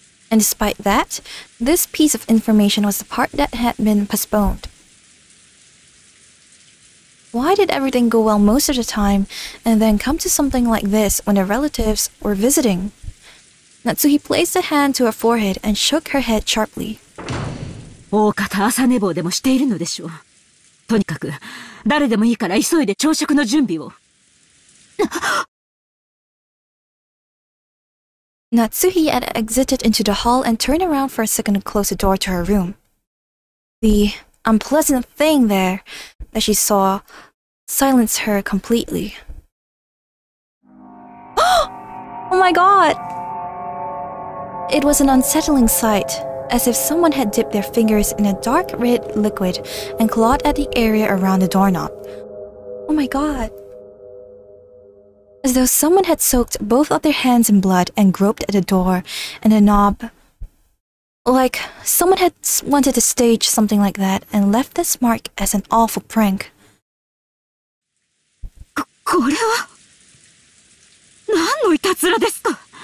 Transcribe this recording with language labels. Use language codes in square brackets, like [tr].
[en] And despite that, this piece of information was the part that had been postponed. Why did everything go well most of the time, and then come to something like this when her relatives were visiting? Natsuhi placed a hand to her forehead and shook her head sharply. [ja] おおかた朝寝坊でもしているのでしょう。とにかく、誰でもいいから急いで朝食の準備を。 [en] Natsuhi had exited into the hall and turned around for a second to close the door to her room. The unpleasant thing there that she saw silenced her completely. Oh my god! It was an unsettling sight, as if someone had dipped their fingers in a dark red liquid and clawed at the area around the doorknob. Oh my god. As though someone had soaked both of their hands in blood and groped at the door and the knob. Like someone had wanted to stage something like that and left this mark as an awful prank. [ja] これは何のいたずらですか?